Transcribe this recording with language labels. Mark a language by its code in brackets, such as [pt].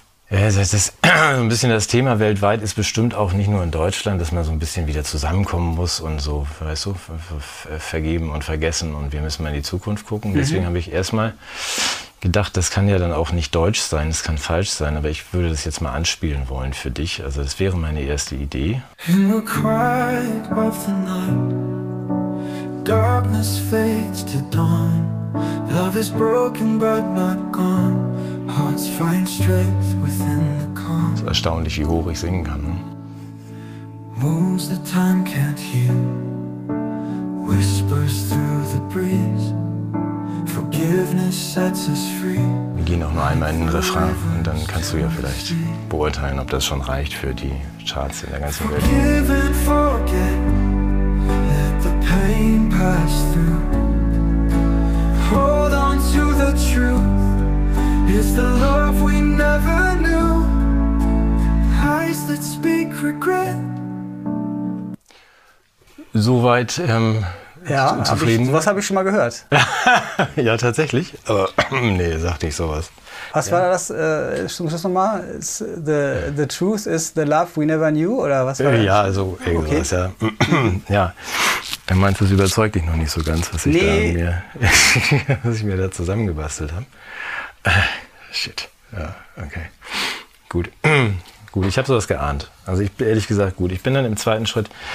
[de] Ja, das ist ein bisschen das Thema weltweit, ist bestimmt auch nicht nur in Deutschland, dass man so ein bisschen wieder zusammenkommen muss und so, weißt du, vergeben und vergessen und wir müssen mal in die Zukunft gucken. Deswegen habe ich erstmal gedacht, das kann ja dann auch nicht deutsch sein, das kann falsch sein, aber ich würde das jetzt mal anspielen wollen für dich. Also das wäre meine erste Idee. [en] In the quiet of the night, darkness fades to dawn, love is broken but not gone. Hearts find strength within the calm. [de] Es ist erstaunlich, wie hoch ich singen kann. [en] Wounds that time can't heal, whispers through the breeze. [de] Wir gehen auch nur einmal in den Refrain und dann kannst du ja vielleicht beurteilen, ob das schon reicht für die Charts in der ganzen Welt. [en] Forgive and forget, let the pain pass through. Hold on to the truth, it's the love we never knew. Eyes that speak regret. [de] Soweit, ja, zufrieden. Sowas habe ich schon mal gehört. Ja, tatsächlich. Aber nee, sag nicht sowas. Was war das? Stimmt das nochmal? [en] The truth is the love we never knew? [de] Oder was war das? Ja, also irgendwas, okay. Ja. Ja. Du meinst, das überzeugt dich noch nicht so ganz, was, nee. was ich mir da zusammengebastelt habe. Shit. Ja, okay. Gut. Gut, ich habe sowas geahnt. Also ich, ehrlich gesagt, gut. Ich bin dann im zweiten Schritt.